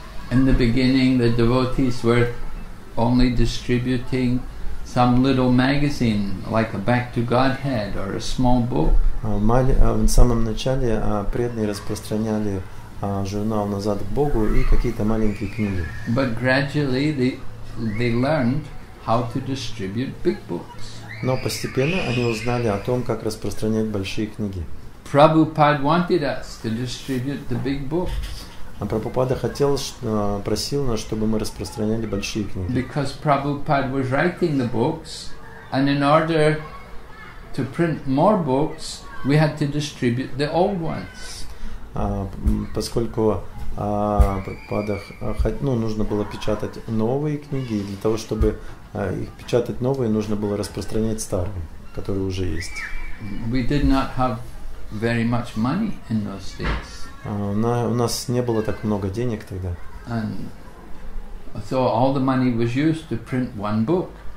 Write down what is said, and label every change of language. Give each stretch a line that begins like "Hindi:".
English: In the beginning the devotees were only distributing some little magazine, like a Back to Godhead or a small book.
Russian: В самом начале преданные распространяли журнал «Назад к Богу» и какие-то маленькие книги.
English: But gradually they learned how to distribute big books.
Russian: Но постепенно они узнали о том, как распространять большие книги.
English: Prabhupada wanted us to distribute the big books.
Russian: А Прабхупада хотел, просил нас, чтобы мы распространяли большие книги.
English: Because Prabhupada was writing the books, and in order to print more books, we had to distribute the old ones.
Russian: Поскольку Прабхупада, нужно было печатать новые книги, и для того, чтобы их печатать новые, нужно было распространять старые, которые уже есть.
English: We did not have very much money in those days.
Russian: У нас не было так много денег тогда.
English: And so all the money was used to print one book.